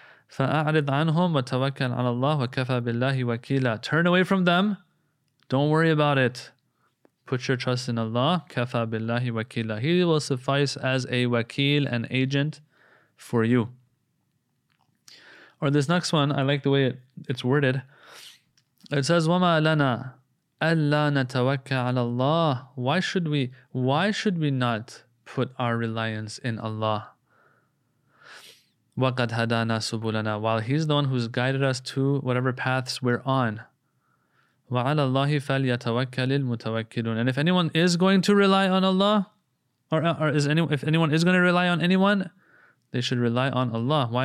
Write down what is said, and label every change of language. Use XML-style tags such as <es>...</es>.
<ar>فَأَعْرِضْ عَنْهُمْ وَتَوَكَّلْ عَلَى اللَّهِ وَكَفَى بِاللَّهِ وَكِيلًا.</ar> <en>Turn away from them. Don't worry about it. Put your trust in Allah.</en> <ar>كَفَى بِاللَّهِ وَكِيلًا.</ar> <en>He will suffice as a wakil, an agent for you. Or this next one, I like the way it's worded. It says,</en> <ar>وَمَا لَنَا أَلَّا نَتَوَكَّ عَلَى اللَّهِ.</ar> <en>Why should we not put our reliance in Allah?</en> <ar>وَقَدْ هَدَانَا سُبُولَنَا.</ar> <en>While He's the one who's guided us to whatever paths we're on.</en> <ar>وَعَلَى اللَّهِ فَلْيَتَوَكَّلِ الْمُتَوَكِّلُونَ.</ar> <en>And if anyone is going to rely on Allah, or if anyone is going to rely on anyone, they should rely on Allah.</en>